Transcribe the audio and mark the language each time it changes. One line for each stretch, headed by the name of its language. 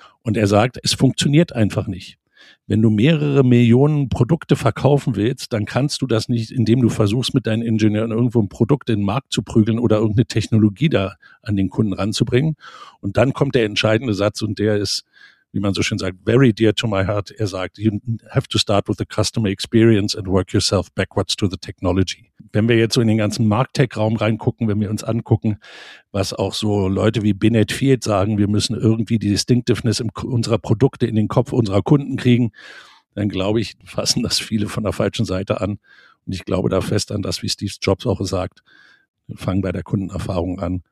German: Und er sagt, es funktioniert einfach nicht. Wenn du mehrere Millionen Produkte verkaufen willst, dann kannst du das nicht, indem du versuchst, mit deinen Ingenieuren irgendwo ein Produkt in den Markt zu prügeln oder irgendeine Technologie da an den Kunden ranzubringen. Und dann kommt der entscheidende Satz und der ist, wie man so schön sagt,
English: very dear to my heart.
German: Er sagt,
English: you have to start with the customer experience and work yourself backwards to the technology.
German: Wenn wir jetzt so in den ganzen Markttech-Raum reingucken, wenn wir uns angucken, was auch so Leute wie Binet Field sagen, wir müssen irgendwie die Distinctiveness unserer Produkte in den Kopf unserer Kunden kriegen, dann glaube ich, fassen das viele von der falschen Seite an. Und ich glaube da fest an das, wie Steve Jobs auch sagt, wir fangen bei der Kundenerfahrung an.